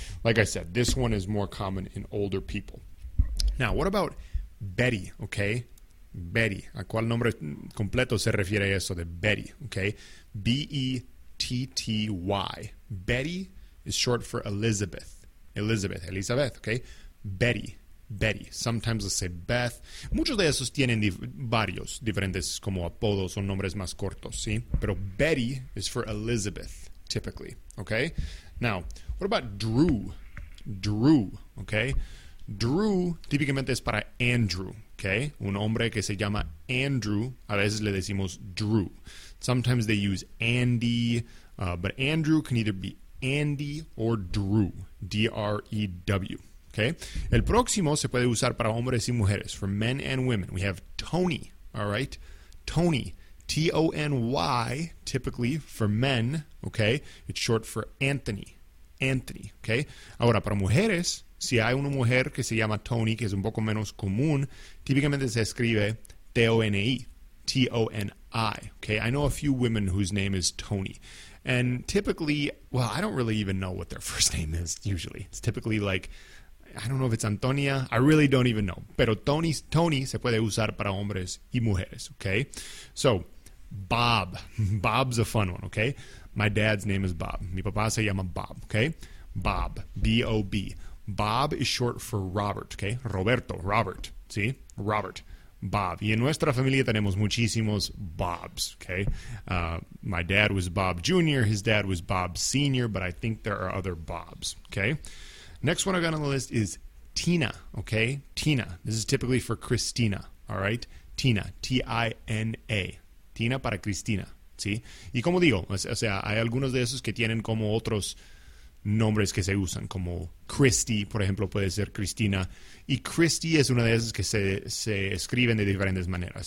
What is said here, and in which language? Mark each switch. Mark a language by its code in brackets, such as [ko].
[en] Like I said, this one is more common in older people. Now, what about Betty, okay? Betty. [es] ¿A cuál nombre completo se refiere eso de Betty, okay? [en] B-E-T-T-Y. Betty is short for Elizabeth. Elizabeth, okay? Betty. Sometimes I say Beth. [es] Muchos de esos tienen varios diferentes como apodos o nombres más cortos, ¿sí? Pero [en] Betty is for Elizabeth, typically, okay? Now, what about Drew? Drew, okay? [es] Drew típicamente es para Andrew, okay? Un hombre que se llama Andrew, a veces le decimos Drew. [en] Sometimes they use Andy, but Andrew can either be Andy or Drew, D-R-E-W. [es] Okay. El próximo se puede usar para hombres y mujeres, [en] for men and women. We have Tony, all right? Tony, T-O-N-Y, typically for men, okay? It's short for Anthony, okay? [es] Ahora, para mujeres, si hay una mujer que se llama Tony, que es un poco menos común, típicamente se escribe T-O-N-E, T-O-N-I, okay? [en] I know a few women whose name is Tony. And typically, well, I don't really even know what their first name is, usually. It's typically like... I don't know if it's Antonia. I really don't even know. [es] Pero Tony se puede usar para hombres y mujeres, okay? [en] So, Bob. Bob's a fun one, okay? My dad's name is Bob. [es] Mi papá se llama Bob, [en] okay? Bob, B-O-B. Bob is short for Robert, okay? Roberto, Robert, ¿sí? Robert, Bob. [es] Y en nuestra familia tenemos muchísimos Bobs, okay? [en] My dad was Bob Jr., his dad was Bob Sr., but I think there are other Bobs, okay? Next one I got on the list is Tina, okay? Tina. This is typically for Christina, all right? Tina, T-I-N-A. [es] Tina para Cristina, ¿sí? Y como digo, o sea, hay algunos de esos que tienen como otros nombres que se usan, como Christy, por ejemplo, puede ser Cristina. Y Christy es una de esas que se escriben de diferentes maneras.